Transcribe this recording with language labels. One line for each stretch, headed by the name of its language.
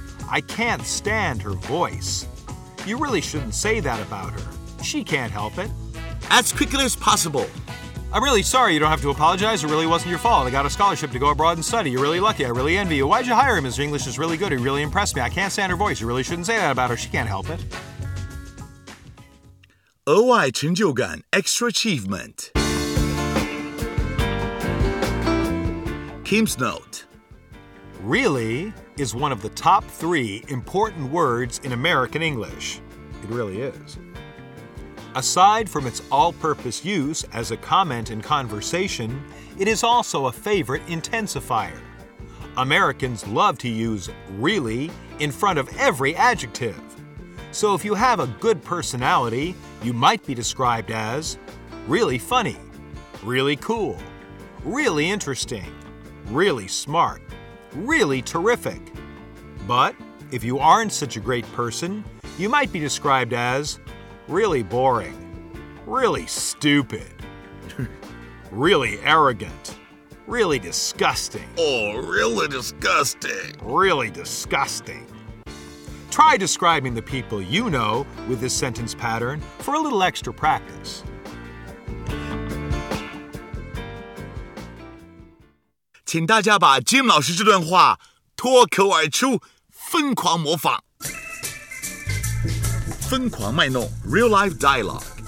English: I can't stand her voice. You really shouldn't say that about her. She can't help it. As quickly as possible. I'm really sorry. You don't have to apologize. It really wasn't your fault. I got a scholarship to go abroad and study. You're really lucky. I really envy you. Why'd you hire him? His English is really good. He really impressed me. I can't stand her voice. You really shouldn't say that about her. She can't help it.
Chinese: 额外成就感
English: Extra achievement. Kim's note. Really is one of the top 3 important words in American English. It really is. Aside from its all-purpose use as a comment in conversation, it is also a favorite intensifier. Americans love to use really in front of every adjective. So if you have a good personality, you might be described as really funny, really cool, really interesting, really smart. Really terrific. But if you aren't such a great person, you might be described as really boring, really stupid, really arrogant, really disgusting. Oh, really disgusting. Really disgusting. Try describing the people you know with this sentence pattern for a little extra practice.
Chinese: 请大家把 Jim 老师这段话脱口而出，疯狂模仿，疯狂卖弄
English: real life dialogue.